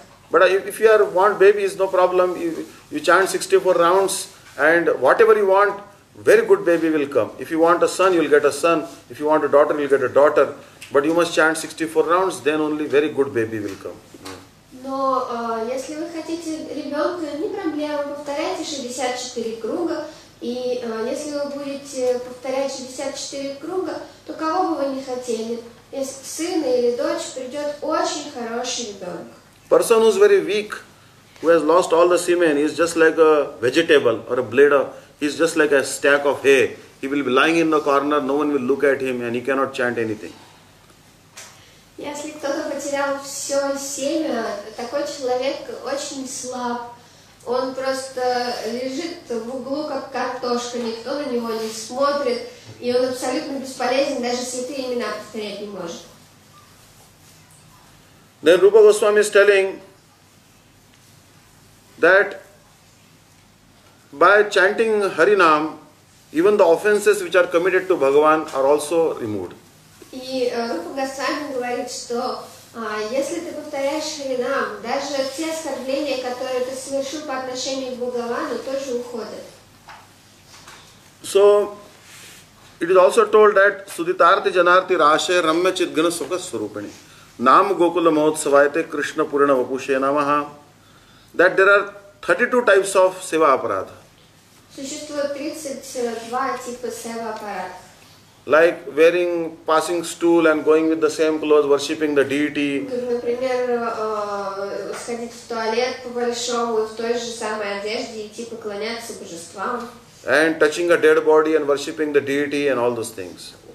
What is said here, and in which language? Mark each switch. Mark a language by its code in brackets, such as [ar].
[en] But if you want babies, no problem. You chant 64 rounds and whatever you want, very good baby will come. If you want a son, you'll get a son. If you want a daughter, you'll get a daughter. But you must chant 64 rounds, then only very good baby will come. [ru] Но если вы хотите ребенка, не проблема, повторяйте 64 круга. И если вы будете повторять 64 круга, то кого бы вы не хотели, если сын или дочь, придет очень хороший ребенок. [en] Person who's very weak, who has lost all the semen, is just like a vegetable or a blade of. He's just like a stack of hay. He will be lying in the corner, no one will look at him, and he cannot chant anything. [ru] Если кто-то потерял все семя, такой человек очень слаб. Он просто лежит в углу, как картошка, никто на него не смотрит, и он абсолютно бесполезен, даже святые имена повторять не может. [en] Then Rupa Goswami is telling that by chanting Harinam, even the offenses which are committed to Bhagavan are also removed. [ru] И Рупа Госвами говорит, что если ты повторяешь Харинам, даже те оскорбления, которые ты совершил по отношению к Бхагавану, тоже уходят. [en] So, it is also told that [sa] Sudhitarthi Janarthi Rashe Ramya Chidgana Sukha Swarupani Nam Gokula Mahotsavayate Krishna Purana Vapushe Namaha, [en] that there are 32 types of seva aparadha. [ru] Существует 32 типа seva aparadha. [en] Like wearing passing stool and going with the same clothes, worshipping the deity. [ru] Например, сходить в туалет по большому в той же самой одежде и идти поклоняться божествам. [en] and touching a dead body and worshipping the deity and all those things.